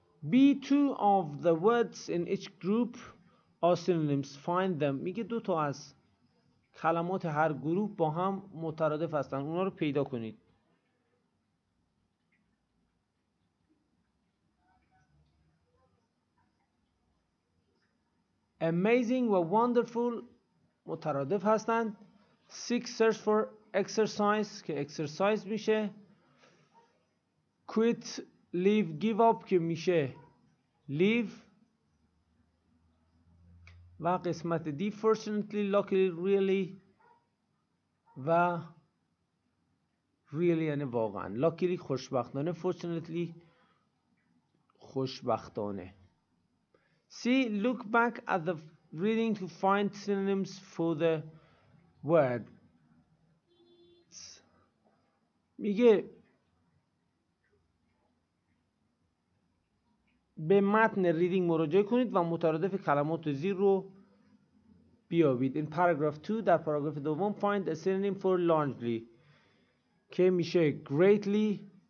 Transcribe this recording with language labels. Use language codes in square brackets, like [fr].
[en] Be two of the words in each group are synonyms. Find them. [fa] میگه دو تا از کلمات هر گروه با هم مترادف هستن، اونا رو پیدا کنید. Amazing و wonderful مترادف هستن. [en] Seek search for exercise که exercise میشه. Quit, leave, give up که میشه leave. [fa] و قسمت دی، fortunately, luckily, really و really یعنی واقعا. luckily خوشبختانه، fortunately خوشبختانه. [en] see, look back at the reading to find synonyms for the word. [fa] میگه به متن ریدینگ مراجعه کنید و مترادف کلمات زیر رو بیابید. این پاراگراف 2، در پاراگراف دوم، find a synonym for largely که میشه greatly.